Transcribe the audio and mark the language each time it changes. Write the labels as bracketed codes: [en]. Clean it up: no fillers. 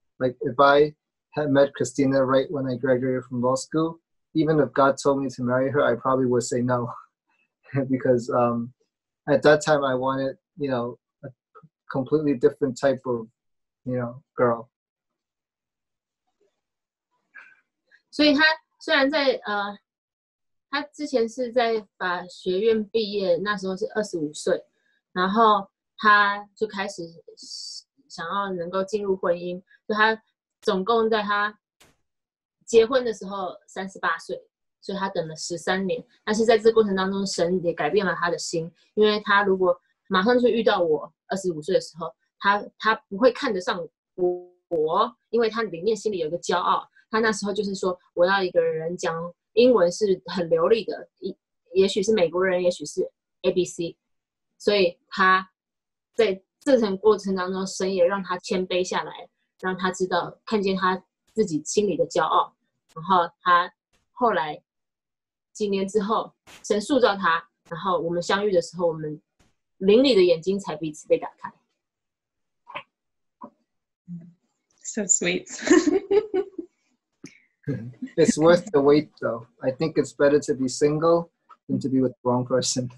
[en] Like if I had met Christina right when I graduated from law school, even if God told me to marry her, I probably would say no. Because at that time, I wanted, you know, a completely different type of, you know, girl. So he, [zh] 虽然在他之前是在把学院毕业，那时候是25岁，然后他就开始想要能够进入婚姻，就他。总共在他结婚的时候38岁，所以他等了13年。但是在这过程当中，神也改变了他的心，因为他如果马上就遇到我25岁的时候，他不会看得上我，因为他里面心里有一个骄傲。他那时候就是说，我要一个人讲英文是很流利的，也许是美国人，也许是 ABC。所以他在这层过程当中，神也让他谦卑下来。让他知道看见他自己心里的骄傲，然后他后来几年之后神塑造他，然后我们相遇的时候，我们灵里的眼睛才彼此被打开。 [en] So sweet. It's worth the wait though. I think it's better to be single than to be with the wrong person.